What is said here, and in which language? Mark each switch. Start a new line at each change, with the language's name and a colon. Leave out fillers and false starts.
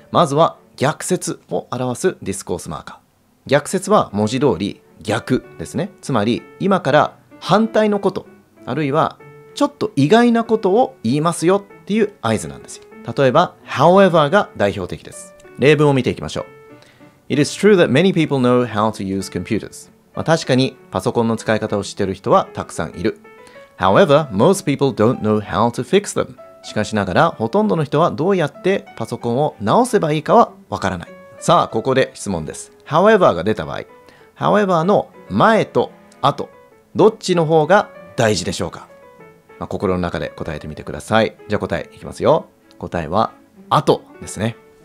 Japanese: まずは逆説を表すディスコースマーカー。逆説は文字通り逆ですね。つまり今から反対のこと、あるいはちょっと意外なことを言いますよっていう合図なんですよ。例えば however が代表的です。例文を見ていきましょう。
English: It is true that many people know how to use computers.
Japanese: 確かにパソコンの使い方を知っている人はたくさんいる。
English: However, most people don't know how to fix them.
Japanese: しかしながらほとんどの人はどうやってパソコンを直せばいいかはわからない。さあ、ここで質問です。however が出た場合、However の前と後、どっちの方が大事でしょうか。心の中で答えてみてください。じゃあ答えいきますよ。答えは後ですね。